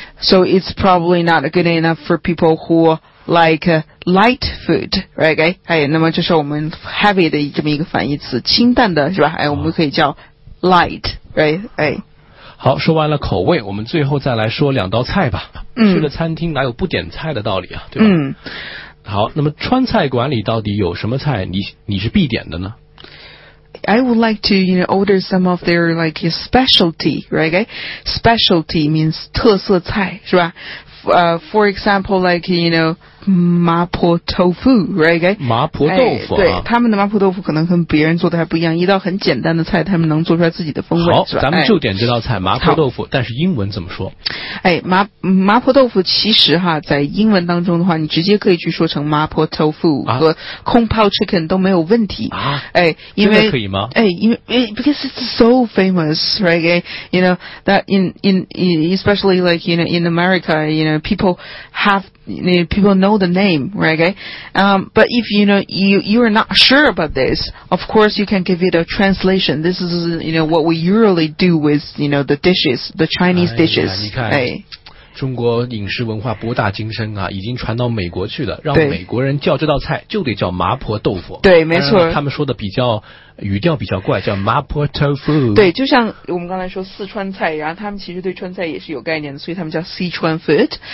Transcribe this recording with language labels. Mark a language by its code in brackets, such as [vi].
[en] So it's probably not good enough for people who like light food, right? Okay. [zh] 哎，那么这是我们 heavy 的这么一个反义词，清淡的是吧？哎，我们可以叫 [en] light, right? [zh] 哎。好，说完了口味，我们最后再来说两道菜吧。嗯。去了餐厅哪有不点菜的道理啊？对吧？嗯。好，那么川菜馆里到底有什么菜你是必点的呢？ [en] I would like to, you know, order some of their like specialty, right? Okay? Specialty means [zh] 特色菜是吧？ [en] For example, like, you know, 麻婆豆腐 right? Okay? [zh] 麻婆豆腐、啊哎、对，他们的麻婆豆腐可能跟别人做的还不一样，一道很简单的菜他们能做出来自己的风味。好，咱们就点这道菜、哎、麻婆豆腐，但是英文怎么说？哎，麻婆豆腐其实哈，在英文当中的话你直接可以去说成麻婆豆腐和空泡 chicken 都没有问题、啊、哎，因为可以吗？哎，因为 [en] because it's so famous, right? Okay? You know, that in especially like, you know, in America, you know, people know the name, right? Okay? But if you know you are not sure about this, of course you can give it a translation. This is, you know, what we usually do with, you know, the dishes, the Chinese dishes. [zh] 哎呀，你看，中国饮食文化博大精深啊，已经传到美国去了，让美国人叫这道菜就得叫麻婆豆腐。对，没错，他们说的比较语调比较怪，叫麻婆豆腐。对，就像我们刚才说四川菜，然后他们其实对川菜也是有概念的，所以他们叫四川 food。